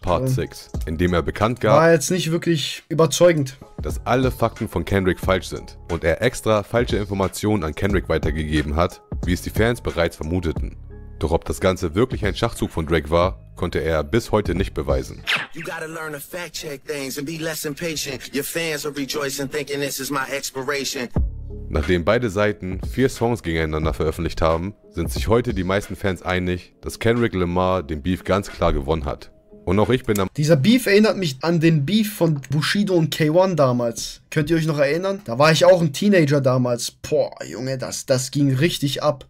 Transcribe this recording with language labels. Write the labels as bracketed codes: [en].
[de] Part 6, in dem er bekannt gab, war jetzt nicht wirklich überzeugend, dass alle Fakten von Kendrick falsch sind und er extra falsche Informationen an Kendrick weitergegeben hat, wie es die Fans bereits vermuteten. Doch ob das Ganze wirklich ein Schachzug von Drake war, konnte er bis heute nicht beweisen. [en] You gotta learn to fact-check things and be less impatient. Your fans are rejoicing, thinking this is my expiration. [de] Nachdem beide Seiten 4 Songs gegeneinander veröffentlicht haben, sind sich heute die meisten Fans einig, dass Kendrick Lamar den Beef ganz klar gewonnen hat. Und auch ich bin am... Dieser Beef erinnert mich an den Beef von Bushido und K1 damals. Könnt ihr euch noch erinnern? Da war ich auch ein Teenager damals. Boah, Junge, das ging richtig ab.